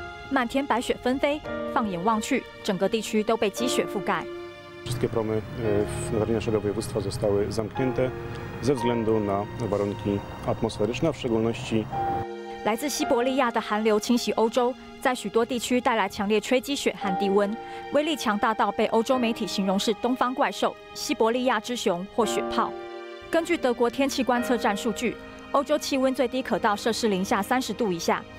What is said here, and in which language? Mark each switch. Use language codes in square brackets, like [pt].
[zh] 满天白雪纷飞，放眼望去，整个地区都被积雪覆盖。 [pl] Wszystkie promy na terenie naszego województwa zostały zamknięte ze względu na warunki atmosferyczne, w szczególności. [zh] 来自西伯利亚的寒流侵袭欧洲，在许多地区带来强烈吹积雪和低温，威力强大到被欧洲媒体形容是东方怪兽、西伯利亚之熊或雪炮。根据德国天气观测站数据，欧洲气温最低可到-30度以下。